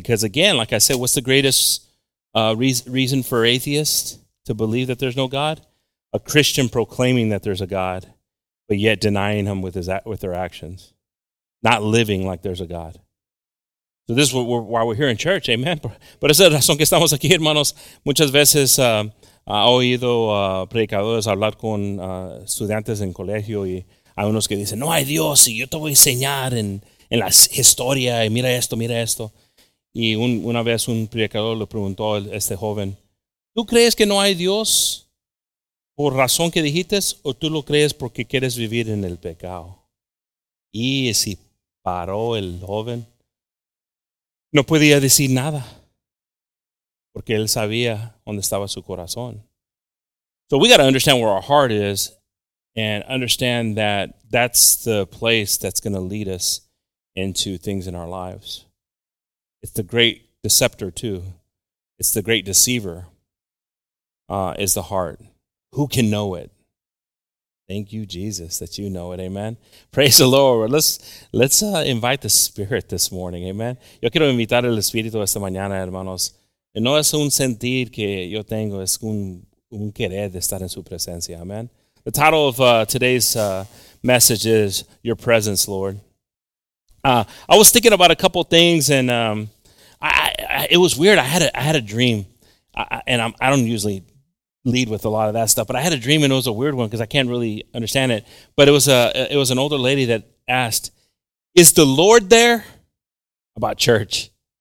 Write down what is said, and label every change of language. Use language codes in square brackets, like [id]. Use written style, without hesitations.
[en] Because again, like I said, what's the greatest reason for atheists to believe that there's no God? A Christian proclaiming that there's a God, but yet denying him with their actions. Not living like there's a God. So this is what why we're here in church, amen. [es] Por esa razón que estamos aquí, hermanos, muchas veces... ha oído predicadores hablar con estudiantes en colegio, y hay unos que dicen, no hay Dios, y yo te voy a enseñar en la historia, y mira esto, mira esto. Y una vez un predicador le preguntó a este joven, ¿tú crees que no hay Dios por razón que dijiste, o tú lo crees porque quieres vivir en el pecado? Y si paró el joven, no podía decir nada. Porque él sabía dónde estaba su corazón. [en] So we got to understand where our heart is and understand that that's the place that's going to lead us into things in our lives. It's the great deceptor too. It's the great deceiver is the heart. Who can know it? Thank you, Jesus, that you know it. Amen. Praise the Lord. Let's invite the Spirit this morning. Amen. [es] Yo quiero invitar el Espíritu esta mañana, hermanos. No es un sentir que yo tengo, es un querer de estar en su presencia. Amen. [en] The title of today's message is Your Presence, Lord. I was thinking about a couple things, and it was weird. I had a dream, I don't usually lead with a lot of that stuff, but I had a dream, and it was a weird one because I can't really understand it. But it was an older lady that asked, "Is the Lord there?" About church.